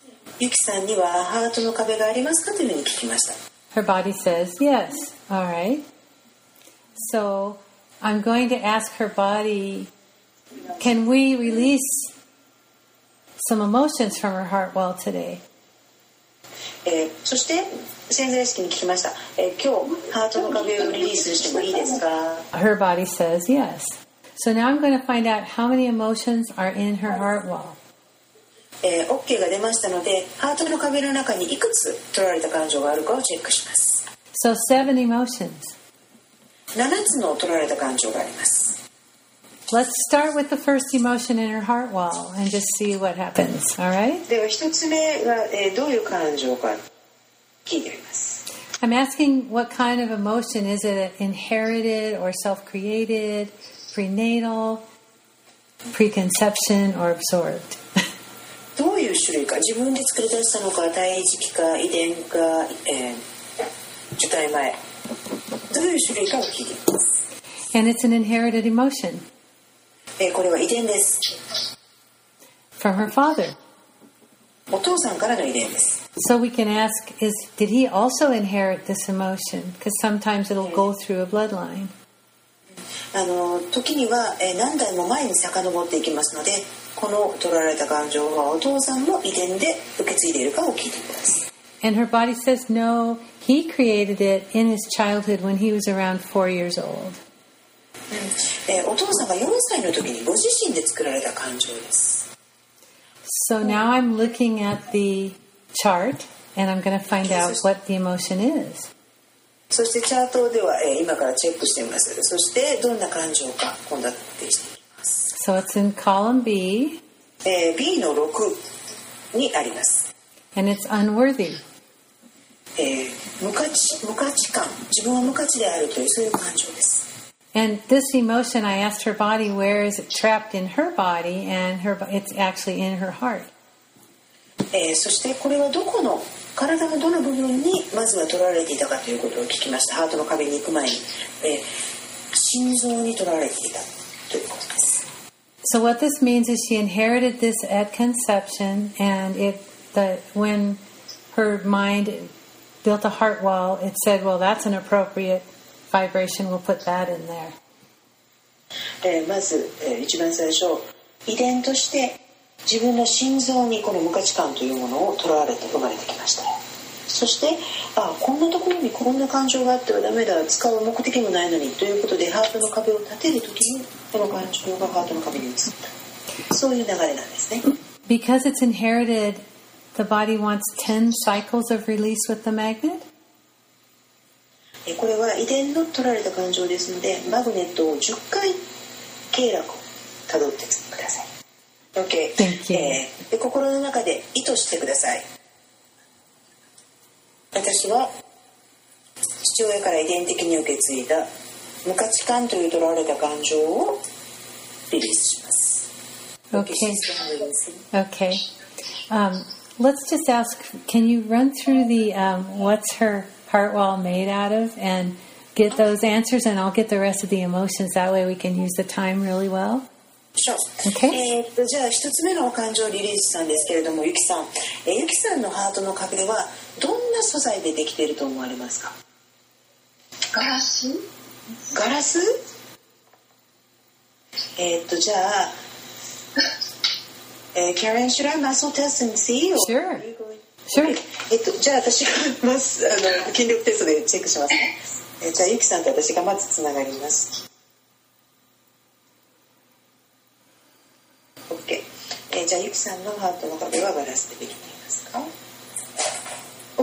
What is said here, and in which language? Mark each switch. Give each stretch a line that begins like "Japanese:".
English: Her body says yes. All right. So I'm going to ask her body, can we release some emotions from her heart wall today?
Japanese: そして潜在意識に聞きました、今日ハートの壁をリリースしてもいいですか。
English: Her body says yes. So now I'm going to find out how many emotions are in her heart wall.
Japanese: OK が出ましたので、ハートの壁の中にいくつ取られた感情があるかをチェックします。
English: So seven emotions.
Japanese: 7つの取られた感情があります。
English: Let's start with the first emotion in her heart wall and just see what happens. All right?
Japanese: では一つ目は、どういう感情か聞いています。
English: I'm asking what kind of emotion is it, inherited or self-created, prenatal, preconception or absorbed?
Japanese: どういう種類か、自分で作り出したのか、胎児期か、遺伝か、受胎前、どういう種類かを聞いています。
English: And it's an inherited emotion.
Japanese: これは遺伝です。
English: From her father.
Japanese: お父さんからの遺伝です。
English: So we can ask, did he also inherit this emotion? Because sometimes it'll go through a bloodline.
Japanese: 時には何代も前に遡っていきますので、この取られた感情はお父さんの遺伝で受け継いでいるかを聞いています。
English: And her body says no, he created it in his childhood when he was around 4 years old.
Japanese: お父さんが4歳の時にご自身で作られた感情です。
English: So now I'm looking at the chart and I'm going to find out what the emotion is.
Japanese: そしてチャートでは今からチェックしてみます。そしてどんな感情か今度は提示します。
English: So it's in column B.
Japanese: B の6にあります。
English: And it's unworthy.
Japanese: 無価値感。自分は無価値であるというそういう感情です。
English: And this emotion, I asked her body, where is it trapped in her body? And it's actually in her heart.
Japanese: そしてこれはどこの体のどの部分にまずは取られていたかということを聞きました。ハートの壁に行く前に、心臓に取られていたということです。
English: So what this means is she inherited this at conception, and when her mind built a heart wall, it said, well, that's an appropriate. Vibration, we'll put that in there.
Japanese: まず、一番最初、遺伝として自分の心臓にこの無価値感というものを取られて生まれてきました。そしてこんなところにこんな感情があってはダメだ、使う目的もないのにということで、ハートの壁を立てるときにこの感情がハートの壁に移った、そういう流れなんですね。
English: Because it's inherited, the body wants 10 cycles of release with the magnet?
Japanese: これは遺伝の取られた感情ですので、マグネットを10回経絡をたどってください。
English: OK、 Thank you.
Japanese: で心の中で意図してください。私は父親から遺伝的に受け継いだ無価値観という取られた感情をリリースします。
English: OK. Let's just ask, can you run through the what's her heart wall made out of and get those answers, and I'll get the rest of the emotions. That way we can use the time really well. Sure. Okay.
Japanese: じゃあ一つ目の感情リリースさんですけれども、ゆきさん、ゆきさんのハートの壁はどんな素材でできていると思われますか？ガラス？ガラス？じゃあ。
English: Karen, should I muscle test and see? Sure. Okay. Sure.
Japanese: じゃあ私がまず筋力テストでチェックしますね。じゃあゆきさんと私がまずつながります。
English: OK。
Japanese: じゃあゆきさんのハートの壁はガラスでできていますか？